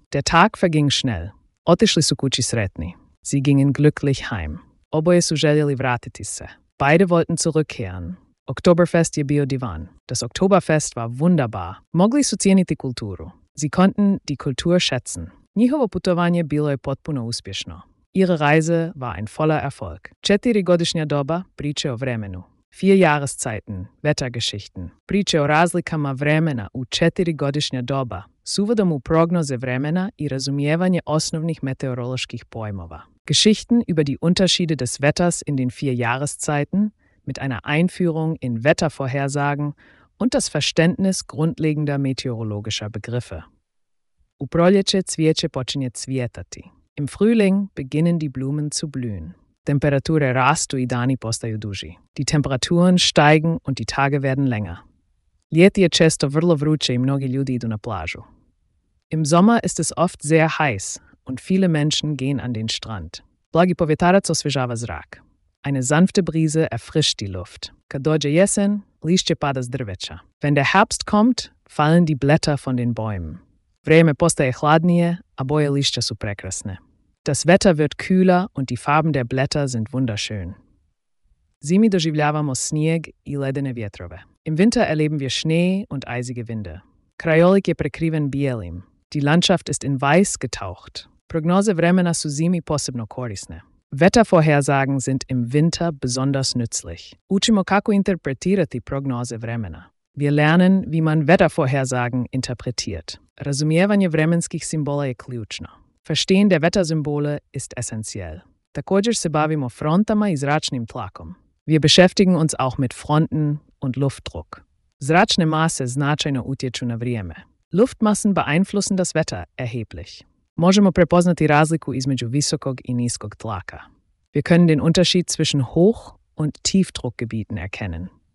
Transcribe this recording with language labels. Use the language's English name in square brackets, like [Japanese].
[German] Der Tag verging schnell. [Croatian] Otišli su kući sretni. [German] Sie gingen glücklich heim. [Croatian] Oboje su željeli vratiti se. [German] Beide wollten zurückkehren. [Croatian] Oktoberfest je bio divan. [German] Das Oktoberfest war wunderbar. [Croatian] Mogli su cijeniti kulturu. [German] Sie konnten die Kultur schätzen. [Croatian] Njihovo putovanje bilo je potpuno uspješno. [German] Ihre Reise war ein voller Erfolg. [Croatian] Četiri godišnja doba priče o vremenu. [German] Vier Jahreszeiten, Wettergeschichten. [Croatian] Priče o razlikama vremena u četiri godišnja doba. Suvodom u prognoze vremena i razumijevanje osnovnih meteoroloških pojmova. [German] Geschichten über die Unterschiede des Wetters in den vier Jahreszeiten mit einer Einführung in Wettervorhersagen und das Verständnis grundlegender meteorologischer Begriffe. [Croatian] U proljeće cvijeće počinje cvjetati. [German] Im Frühling beginnen die Blumen zu blühen. [Croatian] Temperature rastu i dani postaju duži. [German] Die Temperaturen steigen und die Tage werden länger. [Croatian] Ljeti je često vrlo vruće i mnogi ljudi idu na plažu. [German] Im Sommer ist es oft sehr heiß und viele Menschen gehen an den Strand. [Croatian] Blagi povjetarac osvježava zrak. [German] Eine sanfte Brise erfrischt die Luft. [Croatian] Kad dođe jesen, lišće pada s drveća. [German] Wenn der Herbst kommt, fallen die Blätter von den Bäumen. [Croatian] Vreme postaje hladnije, a boje lišća su prekrasne. [German] Das Wetter wird kühler und die Farben der Blätter sind wunderschön. [Croatian] Zimi doživljavamo snijeg i ledene vjetrove. [German] Im Winter erleben wir Schnee und eisige Winde. [Croatian] Krajolik je prekriven bijelim. [German] Die Landschaft ist in weiß getaucht. [Croatian] Prognoze vremena su zimi posebno korisne. [German] Wettervorhersagen sind im Winter besonders nützlich. [Croatian] Učimo kako interpretirati prognoze vremena. [German] Wir lernen, wie man Wettervorhersagen interpretiert. [Croatian] Razumievanje vremenskih simbola je ključno. [German] Verstehen der Wettersymbole ist essentiell. [Croatian] Također se bavimo frontama i zračnim tlakom. [German] Wir beschäftigen uns auch mit Fronten und Luftdruck. [Croatian] Zračne mase značajno utječu na vrijeme. [German] Luftmassen beeinflussen das Wetter erheblich. [Croatian] Možemo prepoznati razliku između visokog i niskog tlaka. [German] Wir können den Unterschied zwischen Hoch- und Tiefdruckgebieten erkennen.